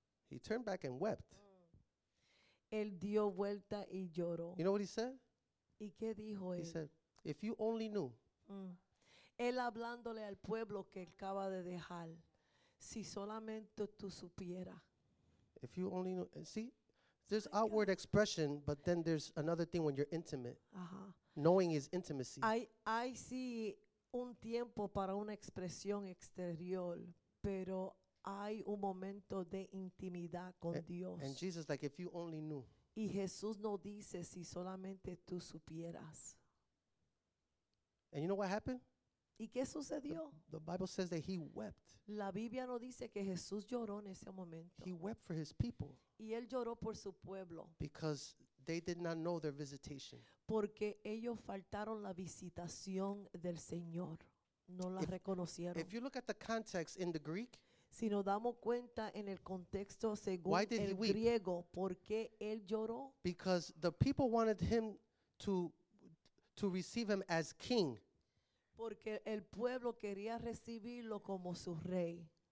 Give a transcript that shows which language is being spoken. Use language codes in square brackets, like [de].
[en] He turned back and wept. [es] Él dio vuelta y lloró. [en] You know what he said? [es] ¿Y qué dijo él? [en] He said, if you only knew. [es] Él hablándole al pueblo que él acaba de dejar. Si solamente tú supieras. [en] If you only knew. See, there's outward expression, but then there's another thing when you're intimate. Knowing is intimacy. [es] Hay sí un tiempo para una expresión exterior, pero hay un momento de intimidad con Dios. [en] And Jesus, like, if you only knew. [es] Y Jesús no dice si solamente tú supieras. [en] And you know what happened? [es] ¿Y qué sucedió? [en] The Bible says that he wept. [es] La Biblia no dice que Jesús lloró en ese momento. [en] He wept for his people. [es] Y él lloró por su pueblo. [en] Because they did not know their visitation. [es] Porque ellos faltaron la visitación del Señor. No la reconocieron. [en] If you look at the context in the Greek, [es] si nos damos cuenta en el contexto según el griego, ¿por qué él lloró? [en] Because the people wanted him to receive him as king. [es] Porque el pueblo quería recibirlo como su rey.